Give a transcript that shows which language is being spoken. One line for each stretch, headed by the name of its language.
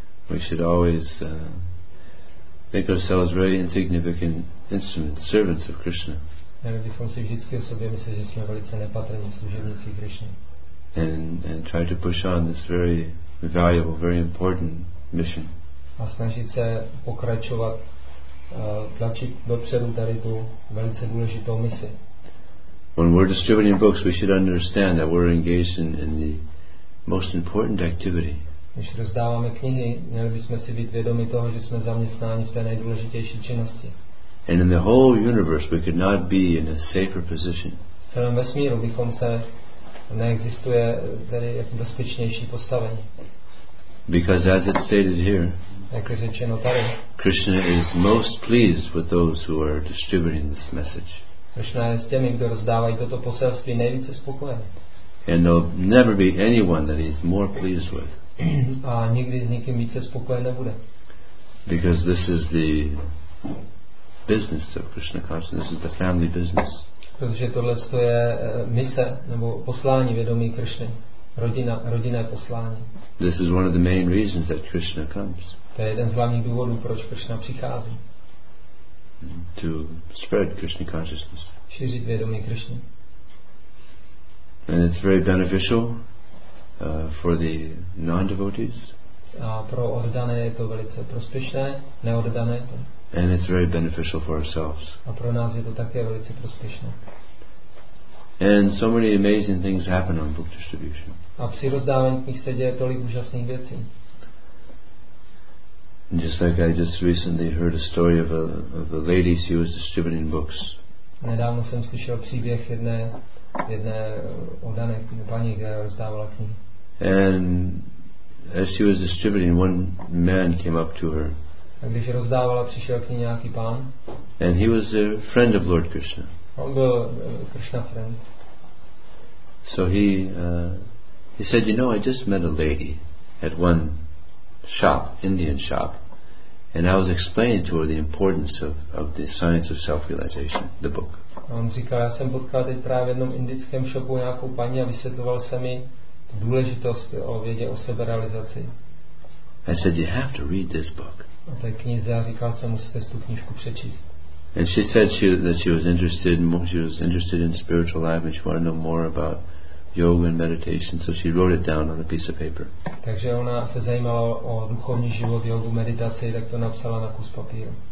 English: We should always think of ourselves very insignificant instruments, servants of Krishna.
Czech: Měli bychom si vždycky o sobě myslet, že jsme velice nepatrní služebníci Krishna.
English: And try to push on this very valuable, very important mission.
Czech: A snažit se pokračovat, tlačit dopředu tady tu velice důležitou misi.
English: When we're distributing books, we should understand that we're engaged in the most important activity.
Czech: Když rozdáváme knihy, měli bychom si být vědomi toho, že jsme zaměstnáni v té nejdůležitější činnosti.
English: And in the whole universe, we could not be in a safer position.
Czech: V celém vesmíru bychom se neexistuje tady jako bezpečnější postavení.
English: Because as it's stated here,
Czech: jak je řečeno tady,
English: Krishna is most pleased with those who are distributing this message.
Czech: Krishna je s těmi, kdo rozdávají toto poselství, nejvíce spokojený.
English: And there'll never be anyone that he's more pleased with.
Czech: A nikdy s nikým více spokojen nebude.
English: Because this is the business of Krishna consciousness. This is the family business.
Czech: Protože tohle je mise nebo poslání vědomí Krishny. Rodinné poslání.
English: This is one of the main reasons that Krishna comes.
Czech: To je jeden z hlavních důvodů, proč Krishna přichází.
English: To spread Krishna consciousness.
Czech: Šířit vědomí Krishny.
English: And it's very beneficial for the non-devotees.
Czech: A pro oddané je to velice prospěšné, neoddané to.
English: And it's very beneficial for ourselves.
Czech: A pro nás je to také velice prospěšné.
English: And so many amazing things happen on book distribution.
Czech: A při rozdávání se děje tolik úžasných věcí.
English: Just like I just recently heard a story of a lady, she was distributing books.
Czech: Nedávno jsem slyšel příběh jedné oddané paní, která rozdávala knihy.
English: And as she was distributing, one man came up to her.
Czech: A když rozdávala, přišel k ní nějaký pán.
English: And he was a friend of Lord Krishna.
Czech: On byl Krishna
English: friend. So he said, you know, I just met a lady at one shop, Indian shop, and I was explaining to her the importance of the science of self-realization, the book.
Czech: A on říkal, já jsem potkal teď právě v jednom indickém shopu nějakou paní a vysvětloval jsem jí důležitost o vědě o seberealizaci.
English: I said, you have to read this book.
Czech: A té knize, já říkal, co musíte tu knížku přečíst.
English: And she said she was interested in spiritual life and she wanted to know more about yoga and meditation, so she wrote it down on a piece of paper.
Czech: Takže ona se zajímala o duchovní život, jogu, meditaci, tak to napsala na kus papíru.